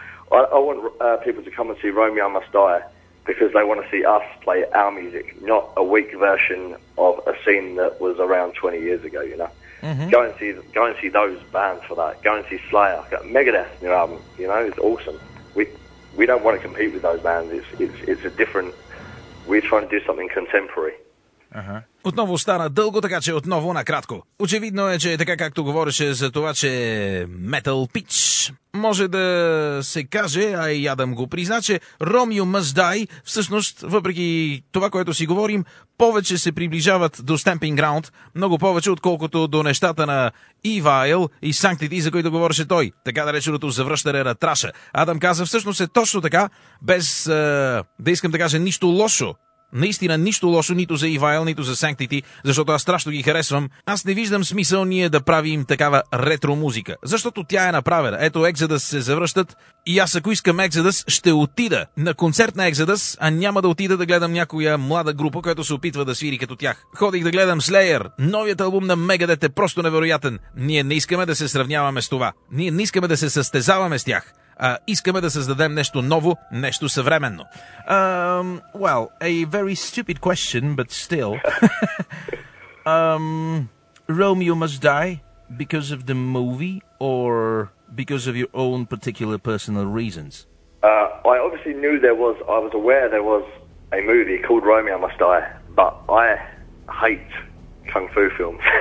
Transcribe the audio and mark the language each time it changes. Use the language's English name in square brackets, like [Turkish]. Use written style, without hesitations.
[English] I want people to come and see Romeo Must Die because they want to see us play our music, not a weak version of a scene that was around 20 years ago, you know. Mm-hmm. Go and see those bands for that. Go and see Slayer. Got Megadeth, new album. You know, it's awesome. We don't want to compete with those bands. It's a different... We're trying to do something contemporary. [Bulgarian] Отново стана дълго, така че отново на кратко. Очевидно е, че така както говореше за това, че Metal Pitch може да се каже, а и Адам го призна, че Romeo Must Die, всъщност, въпреки това, което си говорим, повече се приближават до Stamping Ground, много повече, отколкото до нещата на Evil и Sanctity, за които говореше той, така нареченото завръщане на траша. Адам каза, всъщност е точно така, без да искам да кажа нищо лошо. Наистина нищо лошо нито за Evil, нито за Sanctity, защото аз страшно ги харесвам. Аз не виждам смисъл ние да правим такава ретро музика, защото тя е направена. Ето Exodus се завръщат и аз ако искам Exodus, ще отида на концерт на Exodus, а няма да отида да гледам някоя млада група, която се опитва да свири като тях. Ходих да гледам Slayer. Новият албум на Megadeth е просто невероятен. Ние не искаме да се сравняваме с това. Ние не искаме да се състезаваме с тях. Искаме да създадем нещо ново, нещо съвременно. [English] Well, a very stupid question, but still. Romeo Must Die because of the movie or because of your own particular personal reasons? I obviously knew there was, I was aware there was a movie called Romeo Must Die, but I hate kung fu films.